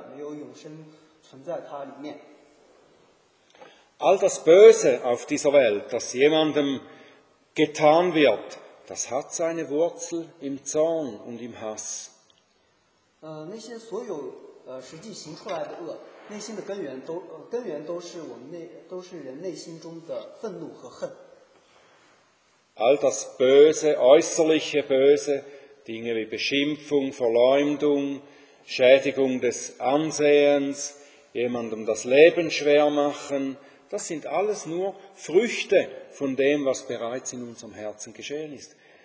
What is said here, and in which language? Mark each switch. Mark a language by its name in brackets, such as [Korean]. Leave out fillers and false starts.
[Chinese] 上帝的话如此说，约翰一书三章十五节，凡恨他弟兄的，就是杀人的。你们晓得凡杀人的，没有永生存在他里面。 [German] All das Böse auf dieser Welt, das jemandem getan wird, das hat seine Wurzel im Zorn und im Hass. [Chinese] 那些所有实际行出来的恶，内心的根源都是人内心中的愤怒和恨。 [German] All das Böse, äußerliche Böse, Dinge wie Beschimpfung, Verleumdung, Schädigung des Ansehens, jemandem das Leben schwer machen, das sind alles nur Früchte von dem, was bereits in unserem Herzen geschehen ist.